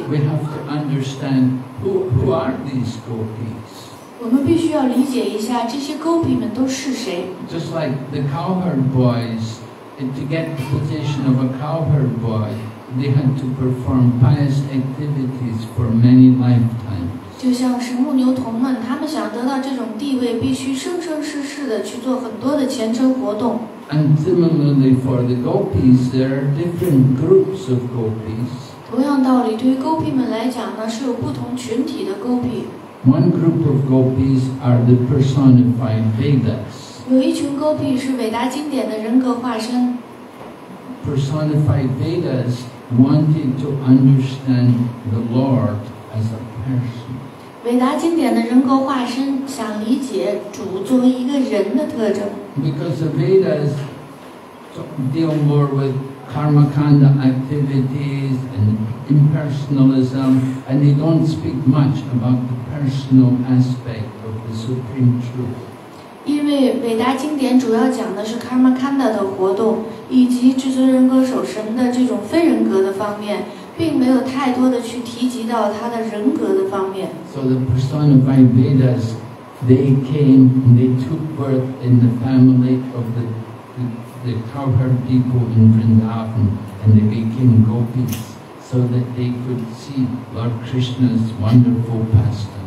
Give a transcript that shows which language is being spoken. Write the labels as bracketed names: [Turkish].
[English] We have to understand who are these gopis. [Chinese] 我们必须要理解一下这些 gopi 们都是谁。 [English] Just like the cowherd boys, to get the position of a cowherd boy, they had to perform pious activities for many lifetimes. [Chinese] 就像是牧牛童们，他们想得到这种地位，必须生生世世的去做很多的虔诚活动。 [English] And similarly for the gopis, there are different groups of gopis. [Chinese] 同样道理，对于 gopi 们来讲呢，是有不同群体的 gopi。 [English] One group of gopis are the personified Vedas. [Chinese] 有一群 gopi 是伟大经典的人格化身。 [English] Personified Vedas wanted to understand the Lord as a person. [Chinese] 伟达经典的人格化身想理解主作为一个人的特征。 [English] Because the Vedas deal more with karma kanda activities and impersonalism, and they don't speak much about the personal aspect of the supreme truth. [Chinese] 因为伟达经典主要讲的是 karma kanda 的活动，以及至尊人格守神的这种非人格的方面。并没有太多的去提及到他的人格的方面。 [English] So the personified Vedas, they came and they took birth in the family of the cowherd people in Vrindavan, and they became gopis so that they could see Lord Krishna's wonderful pastimes.